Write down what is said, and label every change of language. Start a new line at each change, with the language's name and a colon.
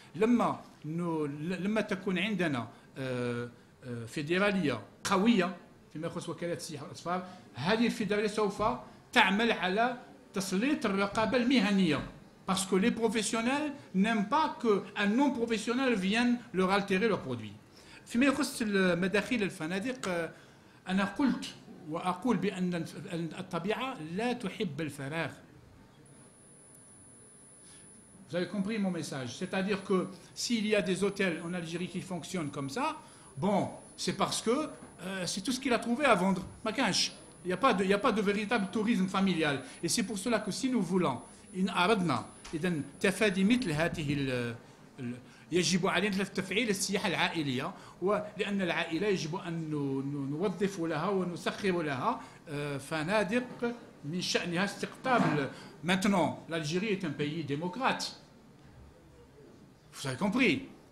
Arabic: لما تكون عندنا فيدرالية قوية فيما يخص وكالات السياحة والأسفار، هذه الفيدرالية سوف تعمل على تسليط الرقابة المهنية،
French: parce que les professionnels n'aiment pas que un non professionnel vienne leur altérer leur produit.
Arabic: فيما يخص مداخيل الفنادق، أنا قلت وأقول بأن الطبيعة لا تحب الفراغ.
French: Vous avez compris mon message. C'est-à-dire que s'il y a des hôtels en Algérie qui fonctionnent comme ça, bon, c'est parce que c'est tout ce qu'il a trouvé à vendre.
Arabic: Makanch.
French: Il n'y a pas de véritable tourisme familial. Et c'est pour cela que si nous voulons,
Arabic: إن أردنا إذا تفادي مثل هذه يجب علينا تفعيل السياحة العائلية، ولأن العائلة يجب أن نوظف لها ونسخر لها فنادق من شأنها استقطاب.
French: Maintenant, l'Algérie est un pays démocrate. Vous avez compris.